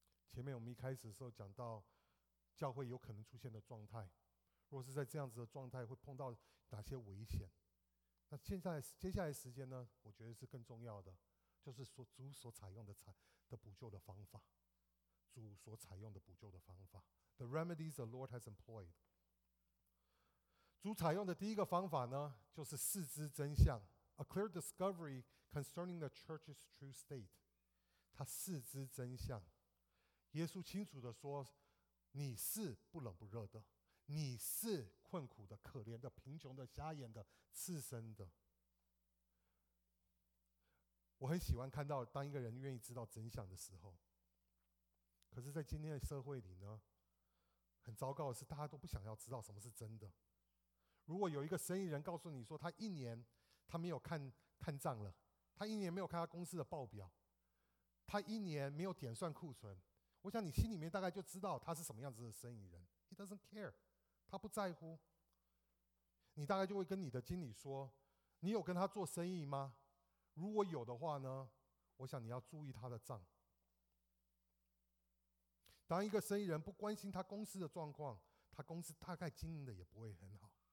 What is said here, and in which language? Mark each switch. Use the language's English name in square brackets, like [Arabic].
[Chinese] 前面我们一开始的时候讲到教会有可能出现的状态，若是在这样子的状态会碰到哪些危险，那现在接下来时间呢，我觉得是更重要的，就是主所采用的补救的方法，主所采用的补救的方法。 [English] The remedies the Lord has employed. [Chinese] 主采用的第一个方法呢，就是四肢真相 ， [English] a clear discovery concerning the church's true state. [Chinese] 他四肢真相，耶稣清楚地说，你是不冷不热的，你是困苦的、可怜的、贫穷的、瞎眼的、刺身的。我很喜欢看到，当一个人愿意知道真相的时候，可是，在今天的社会里呢？很糟糕的是大家都不想要知道什么是真的。如果有一个生意人告诉你说他一年他没有看账了，他一年没有看他公司的报表，他一年没有点算库存，我想你心里面大概就知道他是什么样子的生意人。 [English] He doesn't care， [Chinese] 他不在乎。你大概就会跟你的经理说，你有跟他做生意吗？如果有的话呢，我想你要注意他的账。当一个生意人不关心他公司的状况，他公司大概经营的也不会很好。